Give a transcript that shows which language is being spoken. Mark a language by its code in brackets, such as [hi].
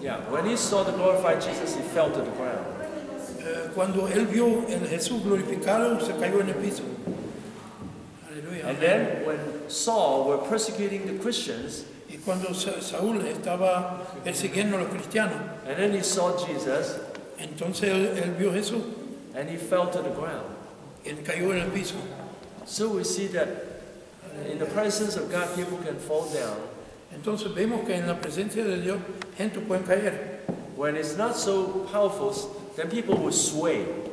[en] When he saw the glorified Jesus, he fell to the ground. [es] Cuando él vio el Jesús glorificado, se cayó en el piso. [en] And then when Saul were persecuting the Christians, [es] y cuando Saúl estaba persiguiendo a los cristianos, [en] and then he saw Jesus, [es] entonces él vio Jesús, [en] and he fell to the ground. [es] Él cayó en el piso. [en] So we see that in the presence of God, people can fall down. [es] Entonces vemos que en la presencia de Dios, gente puede caer. [en] When it's not so powerful, then people will sway.